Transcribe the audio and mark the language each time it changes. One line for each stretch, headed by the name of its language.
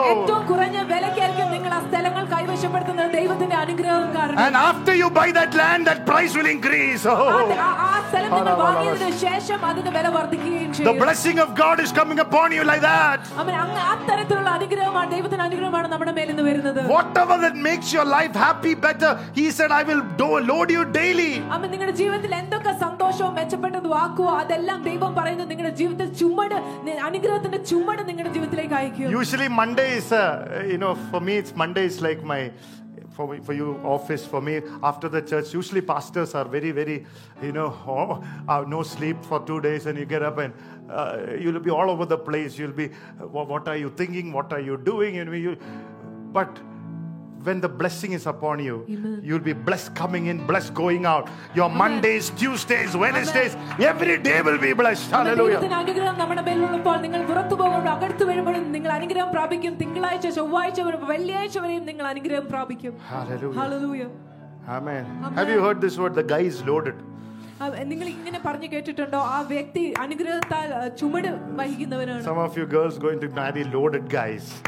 Malayalam: ഏറ്റവും കുറഞ്ഞ വിലയ്ക്കായിരിക്കും നിങ്ങൾ ആ സ്ഥലങ്ങൾ കൈവശപ്പെടുത്തുന്നത് ദൈവത്തിന്റെ അനുഗ്രഹം കാരണം.
English: And after you buy that land that price will increase. ഓ,
Malayalam: ആ സ്ഥലം നിങ്ങൾ വാങ്ങിയതിന് ശേഷം അതിന്റെ വില വർദ്ധിക്കുകയും ചെയ്യും.
English: The blessing of God is coming upon you like that.
Malayalam: അമ്മ, അത്തരത്തിലുള്ള അനുഗ്രഹമാണ് ദൈവത്തിന്റെ അനുഗ്രഹമാണ് നമ്മുടെ മേൽ നിന്ന് വരുന്നത്.
English: Whatever that makes your life happy, better, he said, I will load you daily.
Malayalam: അമ്മ, നിങ്ങളുടെ ജീവിതത്തിൽ എന്തൊക്കെ സന്തോഷവും മെച്ചപ്പെട്ടതും ആക്കുക അതെല്ലാം ദൈവം പറയുന്നു. നിങ്ങളുടെ ജീവിതത്തിൽ ചുമട്, അനുഗ്രഹത്തിന്റെ ചുമട് നിങ്ങളുടെ ജീവിതത്തിലേക്ക് അയക്കും.
English: Usually Mondays, you know, for me it's Mondays like my for you office, for me after the church. Usually pastors are very very, you know, have no sleep for 2 days, and you get up and you'll be all over the place. You'll be what are you thinking, what are you doing, you know, you, but when the blessing is upon you, amen, you'll be blessed coming in, blessed going out. Your amen. Mondays, Tuesdays, Wednesdays, amen, every day will be blessed. Hallelujah.
Malayalam: ദൈവത്തിന്റെ അനുഗ്രഹം നമ്മുടെ മേലുള്ളപ്പോൾ നിങ്ങൾ പുറത്തു പോകുമ്പോൾ അകത്തു വരുമ്പോഴും നിങ്ങൾ അനുഗ്രഹം പ്രാപിക്കും. തിങ്കളാഴ്ച, ചൊവ്വാഴ്ച വരുമ്പോൾ, വെള്ളിയാഴ്ച വരെയും നിങ്ങൾ അനുഗ്രഹം പ്രാപിക്കും.
English: Hallelujah. Hallelujah. Amen. Have you heard this word? The guy is loaded.
Malayalam: നിങ്ങൾ ഇങ്ങനെ പറഞ്ഞു കേട്ടിട്ടുണ്ടോ, ആ വ്യക്തി അനുഗ്രഹത്താൽ ചുമട് വഹിക്കുന്നവനാണ്.
English: Some of you girls going to marry loaded guys.